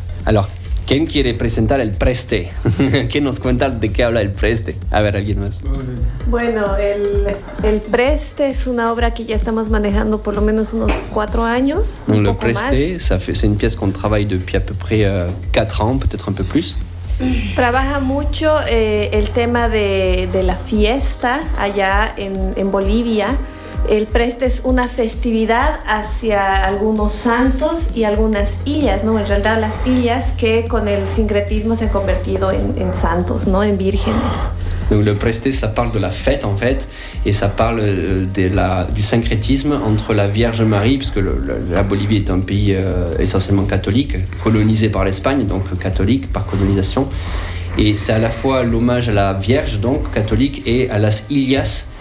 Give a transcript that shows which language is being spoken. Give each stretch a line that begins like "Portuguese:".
French: Alors,
Spanish: ¿quién quiere presentar el preste? ¿Quién nos cuenta de qué habla el preste? A ver, alguien más. Bueno, el preste es una obra que ya estamos manejando por lo menos unos 4 años.
French: Donc, le preste, c'est une pièce qu'on travaille depuis à peu près 4 ans, peut-être un peu plus.
Spanish: Trabaja mucho el tema de la fiesta allá en Bolivia. El preste es una festividad hacia algunos santos y algunas illas, ¿no? En realidad las illas que con el sincretismo se han convertido en santos, ¿no? En vírgenes.
French: Donc le preste, ça parle de la fête en fait, et ça parle du syncrétisme entre la Vierge Marie, puisque la Bolivie est un pays essentiellement catholique, colonisé par l'Espagne, donc catholique par colonisation, et c'est à la fois l'hommage à la Vierge, donc catholique, et à las illas.